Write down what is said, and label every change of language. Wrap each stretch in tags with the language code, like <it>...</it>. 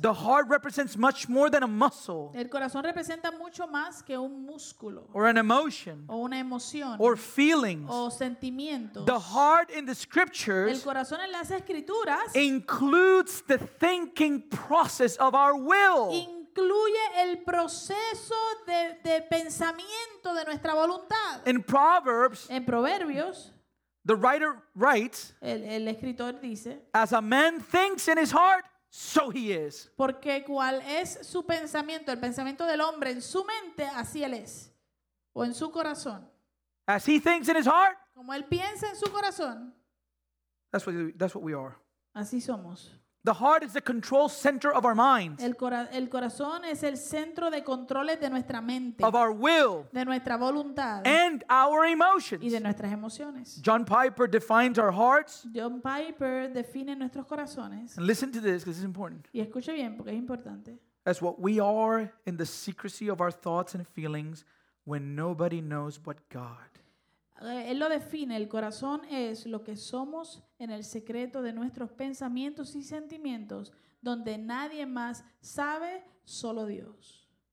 <en>the heart represents much more than a muscle.</en> <es>El corazón representa mucho más que un músculo.</es> <en>Or an emotion.</en> <es>O una emoción.</es> <en>Or feelings.</en> <es>O sentimientos.</es> <en>The heart in the scriptures,</en> <es>el corazón en las escrituras,</es> <en>includes the thinking process of our will.</en> <es>Incluye el proceso de pensamiento de nuestra voluntad.</es> <en>In Proverbs,</en> <es>en Proverbios,</es> <en>the writer writes,</en> <es>el escritor dice,</es> <en>as a man thinks in his heart, so he is.</en> <es>Porque cual es su pensamiento, el pensamiento del hombre en su mente, así él es. O en su corazón.</es> <en>As he thinks in his heart,</en> <es>como él piensa en su corazón.</es> <en>That's what we are.</en> <es>Así somos.</es> <en>The heart is the control center of our minds.</en> <es>El corazón es el centro de controles de nuestra mente.</es> <en>Of our will.</en> <es>De nuestra voluntad.</es> <en>And our emotions.</en> <es>Y de nuestras emociones.</es> <en>John Piper defines our hearts.</en> <es>John Piper define nuestros corazones.</es> <en>And listen to this, because it's important.</en> <es>Y escuche bien, porque es importante.</es> <en>As what we are in the secrecy of our thoughts and feelings when nobody knows but God.</en> <es>Él lo define, el corazón es lo que somos en el secreto de nuestros pensamientos y sentimientos, donde nadie más sabe, solo Dios.</es>